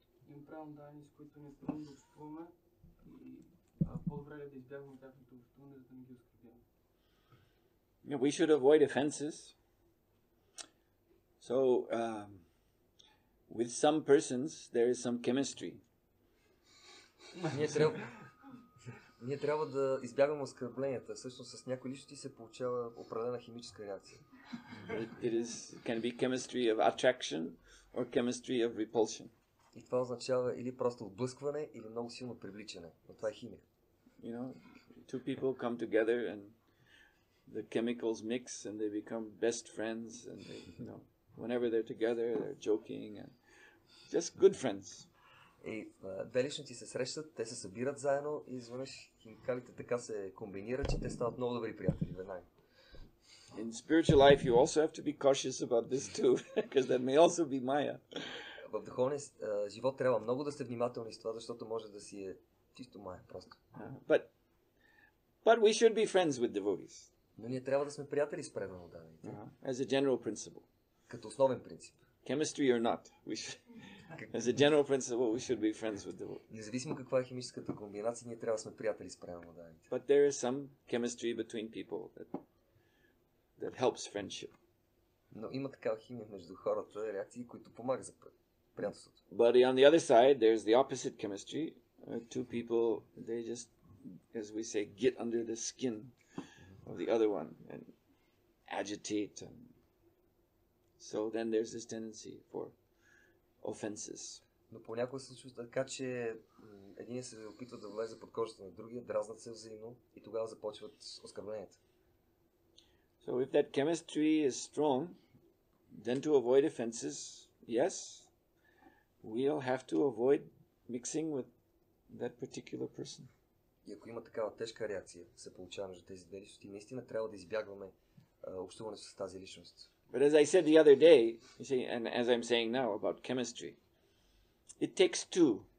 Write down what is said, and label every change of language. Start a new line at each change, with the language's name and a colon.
Bulgarian: Имам право на данни, с които ни е трудно да общуваме и по-добре е да избягваме тяхното общуване, за да не ги оскърбяваме.
English: We should avoid offenses. So, with some persons, there is some chemistry.
Bulgarian: Ние трябва да избягаме оскърбленията. Всъщност с някои личности се получава определена химическа реакция.
English: It is, can be chemistry of attraction or chemistry of repulsion.
Bulgarian: И това означава или просто отблъскване, или много силно привличане. Но това е химия.
English: You know, two people come together and the chemicals mix and they become best friends and they, you know, whenever they're together, they're joking and just good friends.
Bulgarian: И две личности се срещат, те се събират заедно и изведнъж химикалите така се комбинират, че те стават много добри приятели веднага.
English: In spiritual life, you also have to be cautious about this too, because that may also be Maya.
Bulgarian: В духовния живот трябва много да сте внимателни с това, защото може да си е чисто Maya просто.
English: But we should be friends with devotees.
Bulgarian: Но ние трябва да сме приятели с преданото даване.
English: As a general principle.
Bulgarian: Като основен принцип.
English: Chemistry or not, we should, as a general principle, we should be friends with the world.
Bulgarian: Независимо каква е химическата комбинация, ние трябва да сме приятели с преданото даване.
English: But there is some chemistry between people that helps friendship.
Bulgarian: Но има такава химия между хората, реакции, които помагат за приятелството.
English: But on the other side, there is the opposite chemistry. Two people, they just, as we say, get under the skin of the other one and agitate and so then there's this tendency for offenses.
Bulgarian: Но понякога се случва така, че един се опитва да влезе под кожата на другия, дразнат се взаимно и тогава започват оскърбленията.
English: So if that chemistry is strong, then to avoid offenses, yes, we'll have to avoid mixing with that particular person.
Bulgarian: И ако има такава тежка реакция, се получава между тези две личности, наистина трябва да избягваме общуване с тази личност.
English: But as I said the other day, you see, and as I'm saying now about chemistry, it takes two.